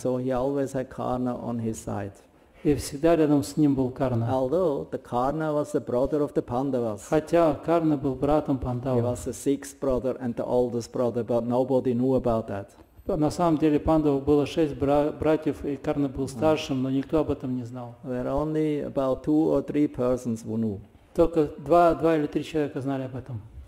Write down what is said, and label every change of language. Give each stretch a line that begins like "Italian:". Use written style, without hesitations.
English: So he always had Karna on his side.
Russian: И всегда рядом с ним был Карна.
English: Although the Karna was the brother of the Pandavas.
Russian: Хотя Карна был братом Пандавов.
English: He was the sixth brother and the oldest brother, but nobody knew about that.
Russian: На самом деле Пандавов было шесть братьев, и Карна был старшим, но никто об этом не знал.
English: There are only about two or three persons who knew.
Russian: Только два или три человека знали об этом.